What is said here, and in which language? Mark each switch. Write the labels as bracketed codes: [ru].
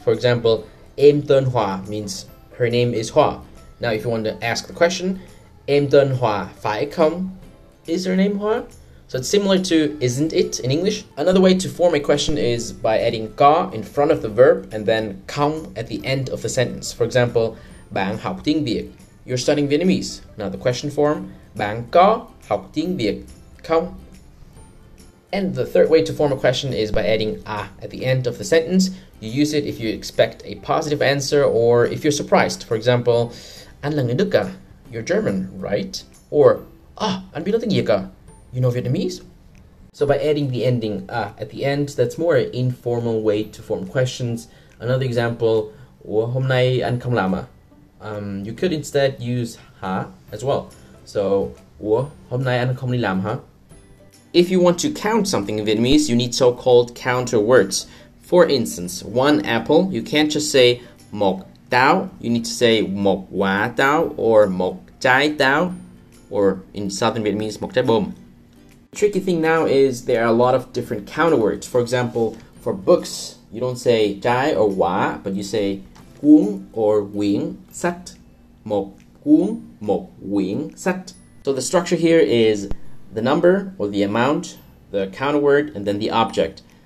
[en] For example, [vi] em tên Hoa [en] means her name is Hoa. Now if you want to ask the question, [vi] em tên Hoa phải không, [en] is her name Hoa? So it's similar to isn't it in English. Another way to form a question is by adding có in front of the verb and then không at the end of the sentence. For example, [vi] bạn học tiếng Việt, [en] you're studying Vietnamese. Now the question form, [vi] bạn có học tiếng Việt không? And the third way to form a question is by adding a at the end of the sentence. You use it if you expect a positive answer or if you're surprised. [en] For example, [vi] anh là người Đức à? [en] You're German, right? [vi] Or ah, anh biết nói tiếng Việt à? [en] You know Vietnamese? So by adding the ending a at the end, that's more an informal way to form questions. Another example, [vi] hôm nay anh không làm à? [en] You could instead use ha as well. [vi] So hôm nay anh không đi làm hả? [en] If you want to count something in Vietnamese, you need so-called counter words. For instance, 1 apple, you can't just say một táo, you need to say một quả táo or một trái táo, or in Southern Vietnamese, một trái bom. The tricky thing now is there are a lot of different counter words. For example, for books, you don't say trái or quả, but you say cuốn or quyển sách. [vi] Một cuốn, một quyển sách. [en] So the structure here is the number or the amount, the counter word, and then the object.